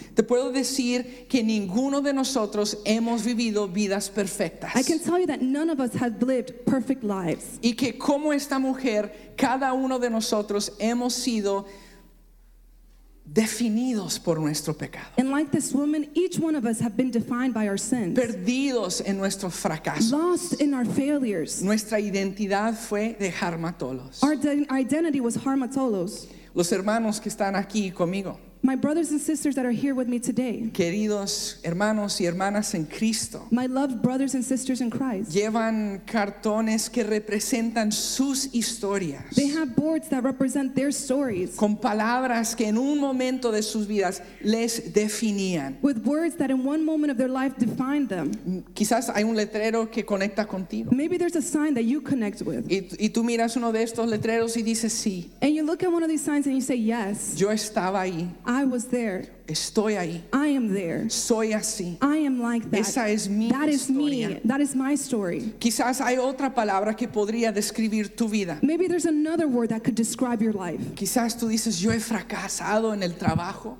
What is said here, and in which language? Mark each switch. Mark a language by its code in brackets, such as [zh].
[es] te puedo decir que ninguno de nosotros hemos vivido vidas perfectas. [en] I can tell you that none of us have lived perfect lives. [es] Y que como esta mujer, cada uno de nosotros hemos sido definidos por nuestro pecado. [en] And like this woman, each one of us have been defined by our sins. [es] Perdidos en nuestro fracaso. [en] Lost in our failures. [es] Nuestra identidad fue de harmatolos. [en] Our identity was harmatolos. [es] Los hermanos que están aquí conmigo. [en] My brothers and sisters that are here with me today. [es] Queridos hermanos y hermanas en Cristo. [en] My loved brothers and sisters in Christ. [es] Llevan cartones que representan sus historias. [en] They have boards that represent their stories. [es] Con palabras que en un momento de sus vidas les definían. [en] With words that in one moment of their life defined them. [es] Quizás hay un letrero que conecta contigo. [en] Maybe there's a sign that you connect with. [es] Y tú miras uno de estos letreros y dices sí. [en] And you look at one of these signs and you say yes. [es] Yo estaba ahí. [en] I was there. [es] Estoy ahí. [en] I am there. [es] Soy así. [en] I am like that. [es] Esa es mi [en] that [es] historia. [en] Is me. That is my story. [es] Quizás hay otra palabra que podría describir tu vida. [en] Maybe there's another word that could describe your life. [es] Quizás tú dices, yo he fracasado en el trabajo.